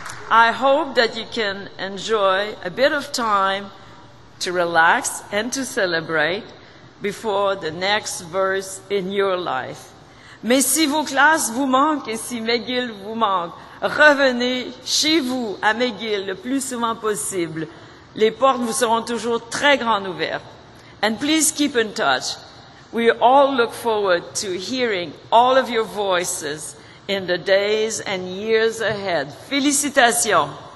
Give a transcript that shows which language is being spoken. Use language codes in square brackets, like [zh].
[en] I hope that you can enjoy a bit of time to relax and to celebrate before the next verse in your life. [fr] Mais si vos classes vous manquent et si McGill vous manque, revenez chez vous à McGill le plus souvent possible. Les portes vous seront toujours très grandes ouvertes. [en] And please keep in touch. We all look forward to hearing all of your voices in the days and years ahead. [fr] Félicitations!